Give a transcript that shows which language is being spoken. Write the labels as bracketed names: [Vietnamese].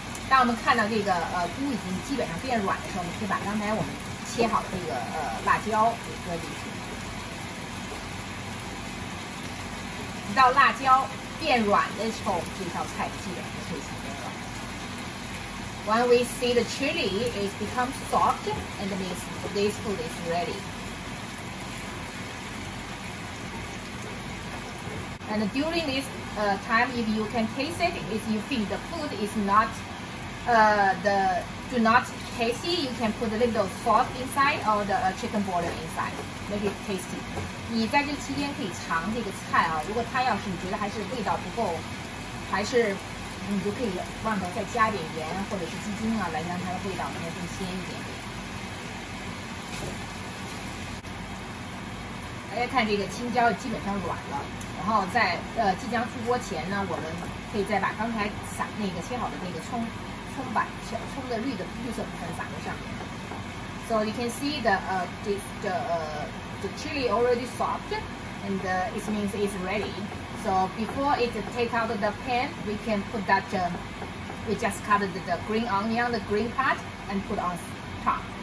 [Chinese] 当我们看到这个菇已经基本上变软的时候，我们可以把刚才我们切好的这个辣椒给搁进去。直到辣椒变软的时候，这道菜基本就可以成功了。 [English] When we see the chili is become soft, and means this food is ready. And during this time, if you can taste it, if you think the food is not do not tasty, you can put a little salt inside or the chicken border inside, make it tasty. [Chinese] 你在这期间可以尝这个菜啊，如果它要是你觉得还是味道不够，还是你就可以忘了再加点盐或者是鸡精啊，来让它的味道能够更鲜一点。大家看这个青椒基本上软了，然后在即将出锅前呢，我们可以再把刚才撒那个切好的那个葱把小葱的绿色部分撒在上面。 [English] So you can see the chili already soft, and it means it's ready. So before it take out of the pan, we can put that, we just cut the green onion, the green part, and put on top.